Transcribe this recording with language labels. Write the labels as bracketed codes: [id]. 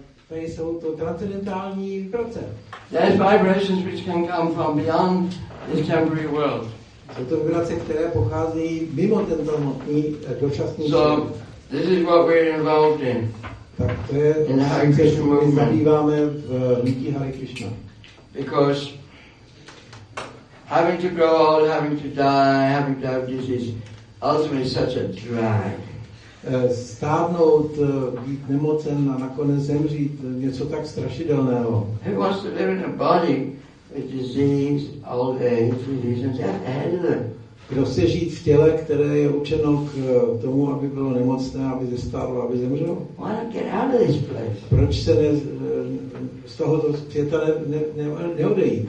[cs] They jsou to transcendentální vibrace. [en] There's vibrations which can come from beyond this temporary world. [cs] Jsou to vibrace, které pocházejí mimo tento hmotný dočasný svět. [en] So this is what we're involved in. [cs] Tak to je [en] in the Hare Krishna movement. [cs] Zabýváme v hnutí Hare Krishna. [en] Because having to grow old, having to die, having to have disease, ultimately such a drag. [cs] Stárnout, být nemocen a nakonec zemřít, něco tak strašidelného. [en] Who wants to live in a body with disease, old age, disease, and death? [cs] Kdo chce žít v těle, které je určeno k tomu, aby bylo nemocné, aby zestárlo, aby zemřelo? [en] Why not get out of this place? [cs] Proč se ne, z tohoto světa neodejít?